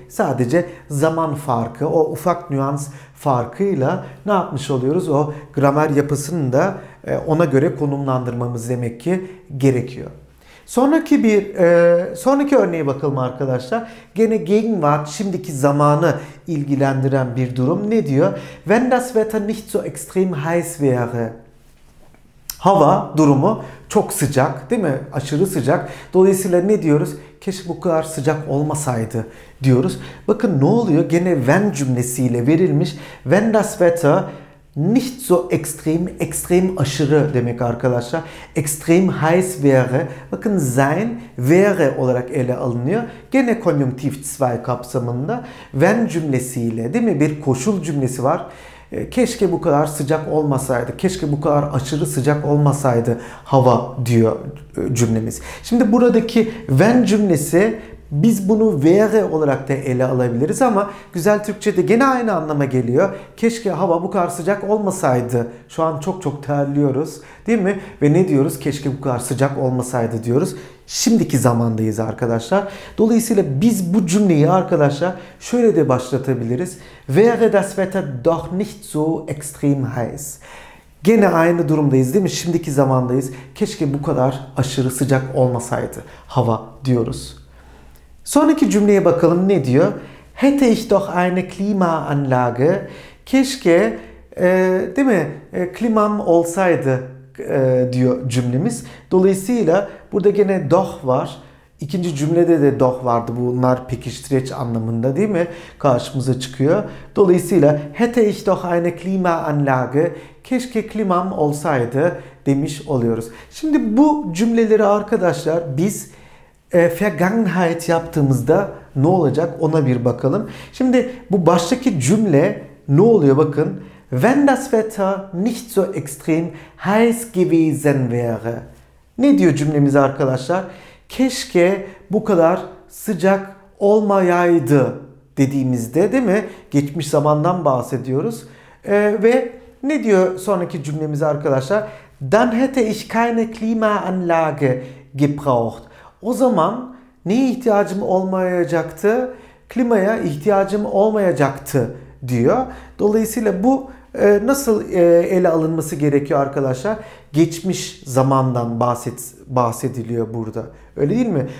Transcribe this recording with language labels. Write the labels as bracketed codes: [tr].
[tr] Sadece zaman farkı, o ufak nüans farkıyla ne yapmış oluyoruz? O gramer yapısını da ona göre konumlandırmamız demek ki gerekiyor. Sonraki örneğe bakalım arkadaşlar. Gene Gegenwart, şimdiki zamanı ilgilendiren bir durum. Ne diyor? [de] Wenn das Wetter nicht so extrem heiß wäre. [tr] Hava durumu çok sıcak, değil mi? Aşırı sıcak. Dolayısıyla ne diyoruz? Keşke bu kadar sıcak olmasaydı diyoruz. Bakın ne oluyor? Gene wenn cümlesiyle verilmiş. [de] Wenn das Wetter nicht so extrem, [tr] extrem aşırı demek arkadaşlar. [de] Extrem heiß wäre. [tr] Bakın sein wäre olarak ele alınıyor. Gene konjunktiv 2 kapsamında. Wenn cümlesiyle, değil mi? Bir koşul cümlesi var. Keşke bu kadar sıcak olmasaydı, keşke bu kadar aşırı sıcak olmasaydı hava diyor cümlemiz. Şimdi buradaki wenn cümlesi, biz bunu wäre olarak da ele alabiliriz ama güzel Türkçe'de gene aynı anlama geliyor. Keşke hava bu kadar sıcak olmasaydı. Şu an çok çok terliyoruz, değil mi? Ve ne diyoruz? Keşke bu kadar sıcak olmasaydı diyoruz. Şimdiki zamandayız arkadaşlar. Dolayısıyla biz bu cümleyi arkadaşlar şöyle de başlatabiliriz. [de] Wäre das Wetter doch nicht so extrem heiß. [tr] Gene aynı durumdayız, değil mi? Şimdiki zamandayız. Keşke bu kadar aşırı sıcak olmasaydı hava diyoruz. Sonraki cümleye bakalım, ne diyor? [de] Hätte ich doch eine Klimaanlage. [tr] Keşke, değil mi? Klimam olsaydı diyor cümlemiz. Dolayısıyla burada gene doch var. İkinci cümlede de doch vardı. Bunlar pekiştireç anlamında, değil mi? Karşımıza çıkıyor. [de] Dolayısıyla hätte ich doch eine Klimaanlage. [tr] Keşke klimam olsaydı demiş oluyoruz. Şimdi bu cümleleri arkadaşlar biz Vergangenheit yaptığımızda ne olacak, ona bir bakalım. Şimdi bu baştaki cümle ne oluyor bakın. [de] Wenn das Wetter nicht so extrem heiß gewesen wäre. [tr] Ne diyor cümlemiz arkadaşlar? Keşke bu kadar sıcak olmayaydı dediğimizde, değil mi? Geçmiş zamandan bahsediyoruz. Ve ne diyor sonraki cümlemiz arkadaşlar? [de] Dann hätte ich keine Klimaanlage gebraucht. [tr] O zaman neye ihtiyacım olmayacaktı? Klimaya ihtiyacım olmayacaktı diyor. Dolayısıyla bu nasıl ele alınması gerekiyor arkadaşlar? Geçmiş zamandan bahsediliyor burada. Öyle değil mi?